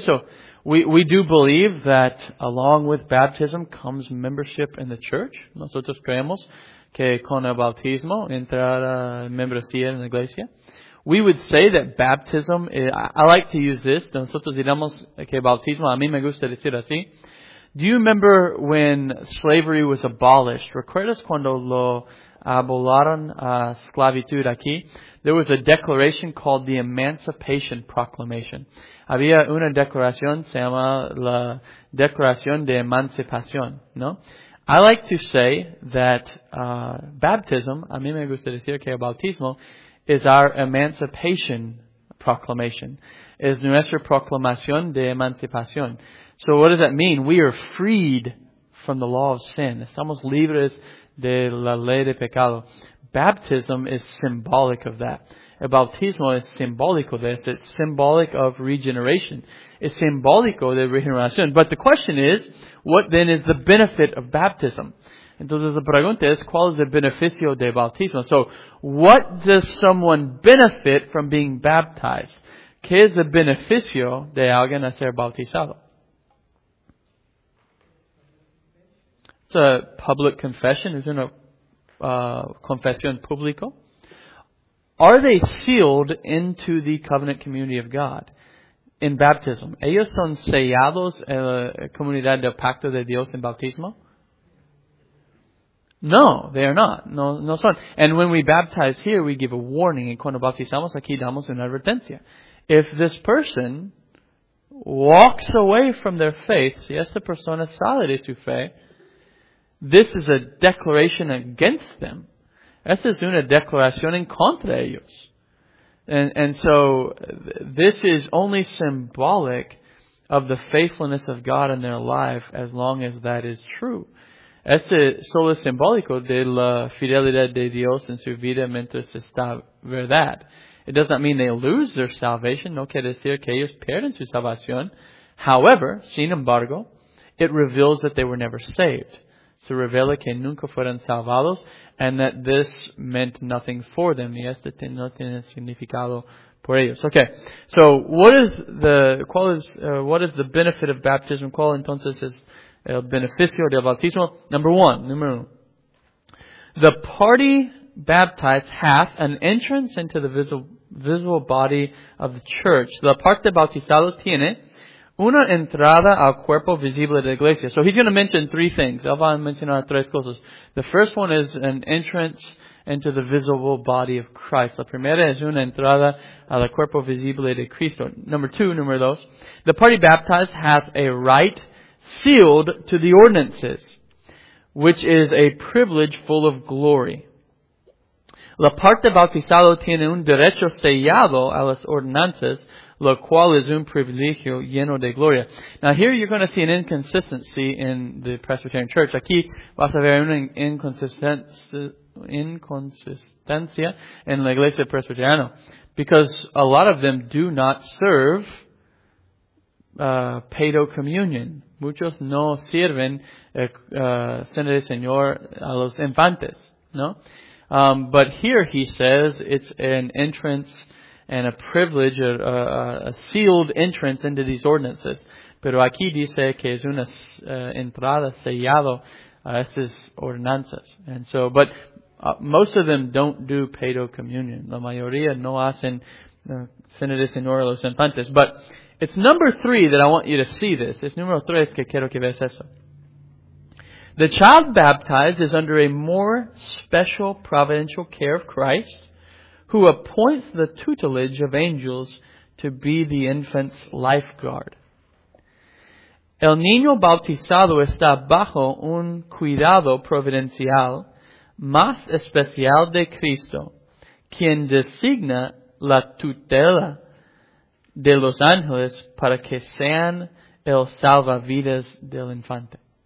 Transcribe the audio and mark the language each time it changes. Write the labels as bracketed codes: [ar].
[en] So we do believe that along with baptism comes membership in the church. [es] Nosotros creemos que con el bautismo entrará membresía en la iglesia. [en] We would say that baptism, I like to use this, [es] nosotros diríamos que bautismo, a mí me gusta decir así. [en] Do you remember when slavery was abolished? [es] ¿Recuerdas cuando lo abolaron a esclavitud aquí? [en] There was a declaration called the Emancipation Proclamation. [es] Había una declaración, se llama la Declaración de Emancipación, ¿no? [en] I like to say that baptism, [es] a mí me gusta decir que bautismo, [en] is our emancipation proclamation. [es] Es nuestra proclamación de emancipación. [en] So what does that mean? We are freed from the law of sin. [es] Estamos libres de la ley de pecado. [en] Baptism is symbolic of that. [es] El bautismo es simbólico de eso. [en] It's symbolic of regeneration. [es] Es simbólico de regeneración. [en] But the question is, what then is the benefit of baptism? [es] Entonces la pregunta es, ¿cuál es el beneficio de bautismo? [en] So, what does someone benefit from being baptized? [es] ¿Qué es el beneficio de alguien a ser bautizado? [en] It's a public confession. [es] Es una confesión pública. [en] Are they sealed into the covenant community of God? in baptism. [es] ¿Ellos son sellados en la comunidad del pacto de Dios en bautismo? [en] No, they are not. [es] No son. [en] And when we baptize here, we give a warning. [es] Y cuando bautizamos aquí, damos una advertencia. [en] If this person walks away from their faith, [es] si esta persona sale de su fe, [en] this is a declaration against them. [es] Esta es una declaración en contra de ellos. [en] And so this is only symbolic of the faithfulness of God in their life as long as that is true. [es] Este solo es simbólico de la fidelidad de Dios en su vida mientras está verdad. [en] It does not mean they lose their salvation. [es] No quiere decir que ellos pierden su salvación. [en] However, [es] sin embargo, [en] it reveals that they were never saved. [es] Se revela que nunca fueron salvados [en] and that this meant nothing for them. [es] Y este no tiene significado por ellos. [en] Okay, so what is the benefit of baptism? [es] ¿Cuál entonces es el beneficio del bautismo? [en] Number one. The party baptized hath an entrance into the visible body of the church. [es] La parte bautizada tiene una entrada al cuerpo visible de la iglesia. [en] So he's going to mention three things. [es] Él va a mencionar tres cosas. [en] The first one is an entrance into the visible body of Christ. [es] La primera es una entrada al cuerpo visible de Cristo. [en] Number two. The party baptized hath a right sealed to the ordinances, which is a privilege full of glory. [es] La parte bautizado tiene un derecho sellado a las ordenanzas, lo cual es un privilegio lleno de gloria. [en] Now here you're going to see an inconsistency in the Presbyterian Church. [es] Aquí vas a ver una inconsistencia en la iglesia presbiteriana, [en] because a lot of them do not serve paedo communion. [es] Muchos no sirven cena del Señor a los infantes, ¿no? [en] But here he says it's an entrance and a privilege, a sealed entrance into these ordinances. [es] Pero aquí dice que es una entrada sellado a estas ordenanzas. [en] And so, but most of them don't do paedo communion. [es] La mayoría no hacen cena del Señor a los infantes. [en] But it's number three that I want you to see this. [es] Es número tres que quiero que veas eso. [en] The child baptized is under a more special providential care of Christ, who appoints the tutelage of angels to be the infant's lifeguard. [es] El niño bautizado está bajo un cuidado providencial más especial de Cristo, quien designa la tutela de los ángeles para que sean el salvavidas del infante.